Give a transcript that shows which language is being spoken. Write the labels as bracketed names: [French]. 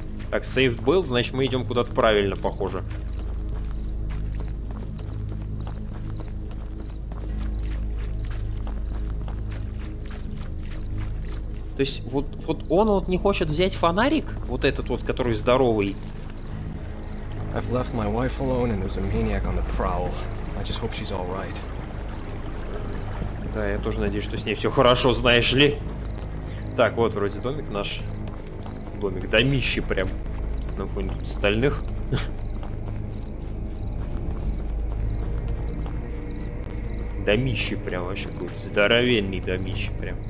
[Russian] Так, сейф был, значит мы идем куда-то правильно, похоже. То есть вот он вот не хочет взять фонарик, вот этот вот, который здоровый. [English] I've left my wife alone and there's a maniac on the prowl. I just hope she's all right. [Russian] Да, я тоже надеюсь, что с ней все хорошо, знаешь ли. Так, вот вроде домик наш. Домик, домище прям. На фоне тут стальных. Домище прям вообще какой-то. Здоровенный домище прям.